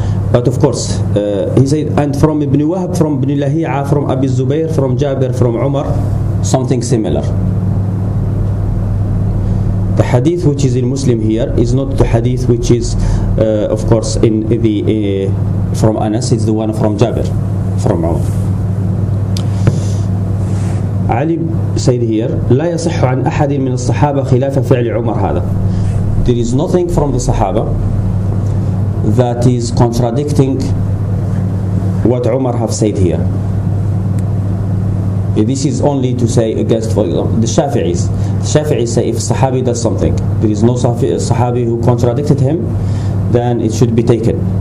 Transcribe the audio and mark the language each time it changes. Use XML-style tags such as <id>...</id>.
<en>But of course, he said, and from Ibn Wahab, from Ibn Lahi'a, from Abi Zubair, from Jabir, from Umar, something similar. The hadith which is in Muslim here is not the hadith which is, of course, in the from Anas, it's the one from Jabir, from Umar. Ali said here,</en> <ar>لا يصح عن أحد من الصحابة خلاف فعل عمر هذا.</ar> <en>There is nothing from the Sahaba that is contradicting what Umar have said here. This is only to say against the Shafi'is. The Shafi'is say if Sahabi does something, there is no Sahabi who contradicted him, then it should be taken.</en>